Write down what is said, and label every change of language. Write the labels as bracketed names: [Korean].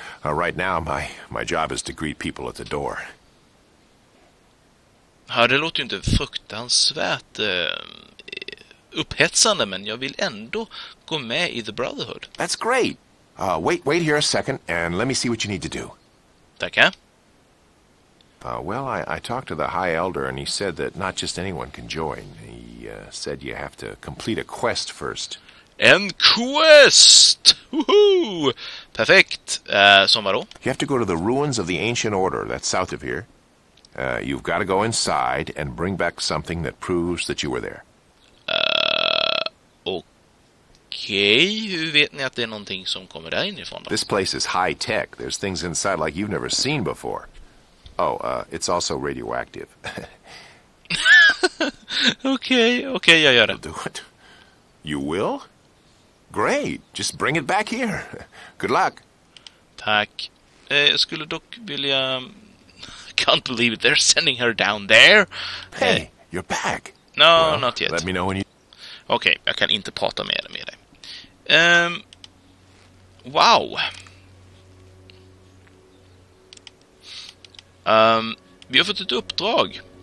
[English] Right now my job is to greet people at the door. [Swedish] Ja, det låter ju inte fruktansvärt upphetsande, men jag vill ändå gå med i The Brotherhood. [English] That's great. Wait here a second and let me see what you need to do. [Swedish] Tackar. [English] I talked to the High Elder and he said that not just anyone can join. He said you have to complete a quest first. [Swedish] En quest! Woohoo! Perfekt! Som vadå? [English] You have to go to the ruins of the Ancient Order, that's south of here. You've got to go inside and bring back something that proves that you were there. [Swedish] Okej, hur vet ni att det är någonting som kommer där inifrån då? [English] This place is high tech. There's things inside like you've never seen before. It's also radioactive. [Swedish] Okej, jag gör det. [English] Do it. You will? Great, just bring it back here. Good luck. [Swedish] Tack. Jag skulle dock vilja... [English] I can't believe it, they're sending her down there. Hey, you're back. No, well, not yet. Let me know when you... [Swedish] Okej, jag kan inte prata mer med dig. [English] Wow. [Swedish] Vi har fått ett uppdrag.